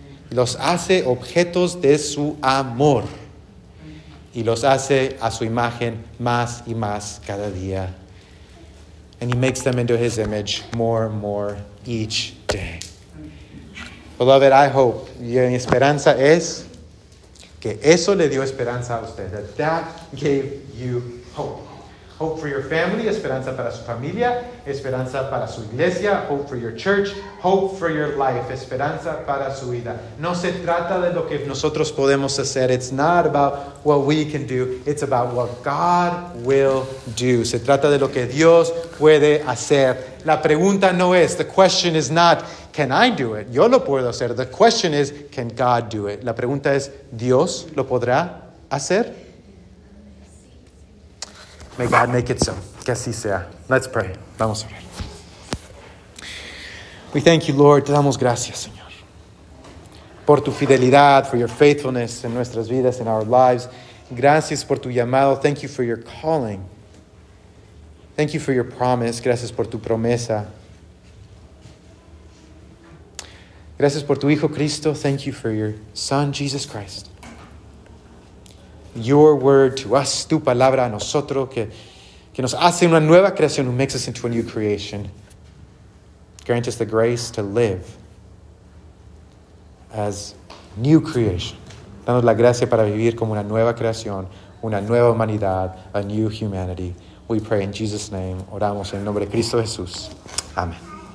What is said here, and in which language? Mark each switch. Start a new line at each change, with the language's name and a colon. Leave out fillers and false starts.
Spanish: Los hace objetos de su amor y los hace a su imagen más y más cada día.
English: And he makes them into his image more and more each day. Beloved, I hope,
Spanish: y mi esperanza es que eso le dio esperanza a usted,
English: that gave you hope. Hope for your family,
Spanish: esperanza para su familia, esperanza para su iglesia,
English: hope for your church, hope for your life,
Spanish: esperanza para su vida. No se trata de lo que nosotros podemos hacer.
English: It's not about what we can do. It's about what God will do.
Spanish: Se trata de lo que Dios puede hacer. La pregunta no es,
English: the question is not, can I do it?
Spanish: Yo lo puedo hacer.
English: The question is, can God do it?
Spanish: La pregunta es, ¿Dios lo podrá hacer?
English: May God make it so.
Spanish: Que así sea.
English: Let's pray.
Spanish: Vamos a orar.
English: We thank you, Lord.
Spanish: Te damos gracias, Señor. Por tu fidelidad,
English: for your faithfulness in
Spanish: nuestras vidas,
English: in our lives.
Spanish: Gracias por tu llamado.
English: Thank you for your calling. Thank you for your promise.
Spanish: Gracias por tu promesa. Gracias por tu Hijo Cristo.
English: Thank you for your Son, Jesus Christ. Your word to us,
Spanish: tu palabra a nosotros, que nos hace una nueva creación,
English: who makes us into a new creation. Grant us the grace to live as new creation.
Spanish: Danos la gracia para vivir como una nueva creación, una nueva humanidad,
English: a new humanity. We pray in Jesus' name.
Spanish: Oramos en el nombre de Cristo Jesús. Amén.